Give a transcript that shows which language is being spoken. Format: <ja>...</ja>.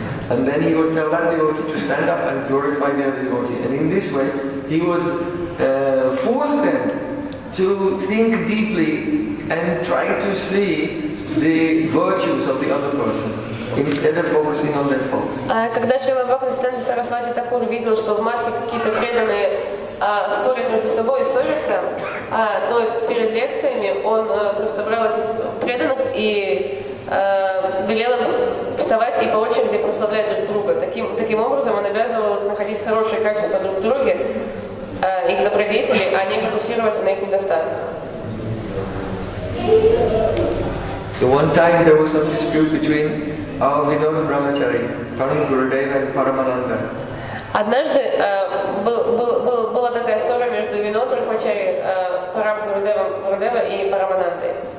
<en>And then he would tell that devotee to stand up and glorify the other devotee. And in this way, he would force them to think deeply and try to see the virtues of the other person, instead of focusing on their faults.</en> <ru>Когда Шрила Бхактисиддханта Сарасвати Такур видел, что в матхе какие-то преданные спорят между собой и ссорятся, то перед лекциями он просто брал этих преданных и велел им вставать и по очереди прославлять друг друга. Таким образом он обязывал их находить хорошие качества друг в друге, их добродетели, а не фокусироваться на их недостатках.</ru> <en>So one time there was a dispute between our Vinoda Brahmachari, Param Gurudeva and Paramananda.</en> <ru>Однажды была такая ссора между Винодой Брахмачари, Парам Гурудева и Параманандой.</ru>